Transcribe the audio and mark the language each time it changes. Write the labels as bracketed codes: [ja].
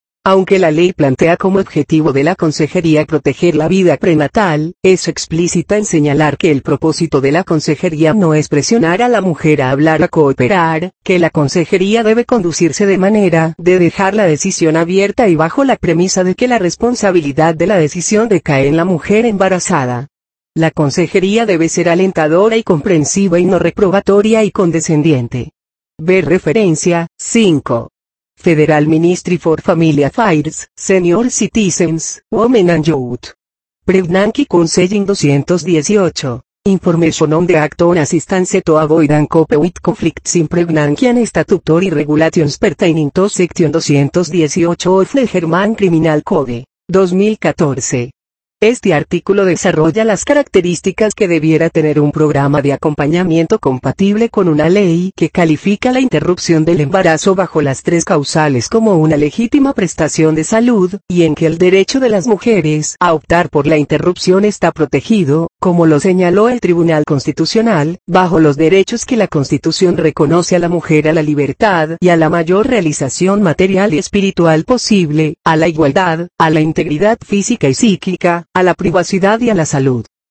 [es] Aunque la ley plantea como objetivo de la consejería proteger la vida prenatal, es explícita en señalar que el propósito de la consejería no es presionar a la mujer a hablar o cooperar, que la consejería debe conducirse de manera de dejar la decisión abierta y bajo la premisa de que la responsabilidad de la decisión decae en la mujer embarazada. La consejería debe ser alentadora y comprensiva y no reprobatoria y condescendiente. Ver referencia 5. [en] Federal Ministry for Family Affairs, Senior Citizens, Women and Youth. Pregnancy Counseling 218. Information on the Act on Assistance to Avoid and Cope with Conflicts in Pregnancy and Statutory Regulations Pertaining to Section 218 of the German Criminal Code. 2014. [es] Este artículo desarrolla las características que debiera tener un programa de acompañamiento compatible con una ley que califica la interrupción del embarazo bajo las tres causales como una legítima prestación de salud, y en que el derecho de las mujeres a optar por la interrupción está protegido, como lo señaló el Tribunal Constitucional, bajo los derechos que la Constitución reconoce a la mujer a la libertad y a la mayor realización material y espiritual posible, a la igualdad, a la integridad física y psíquica, a la privacidad y a la salud.